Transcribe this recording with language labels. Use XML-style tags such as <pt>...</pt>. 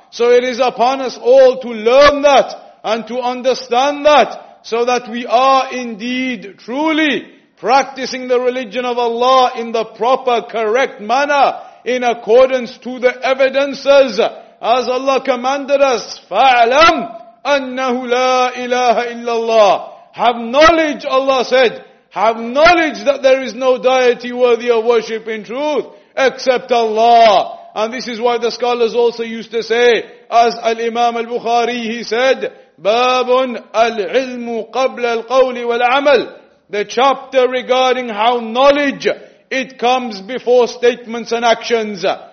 <en>So it is upon us all to learn that and to understand that, so that we are indeed truly practicing the religion of Allah in the proper, correct manner, in accordance to the evidences.</en> <ar>As Allah commanded us, فَاعْلَمْ أَنَّهُ لَا إِلَهَ إِلَّا اللَّهِ.</ar> <en>Have knowledge, Allah said, have knowledge that there is no deity worthy of worship in truth except Allah. And this is why the scholars also used to say, as Al-Imam Al-Bukhari, he said,</en> <ar>بَابٌ الْعِلْمُ قَبْلَ الْقَوْلِ وَالْعَمَلِ,</ar> <en>the chapter regarding how knowledge, it comes before statements and actions.</en>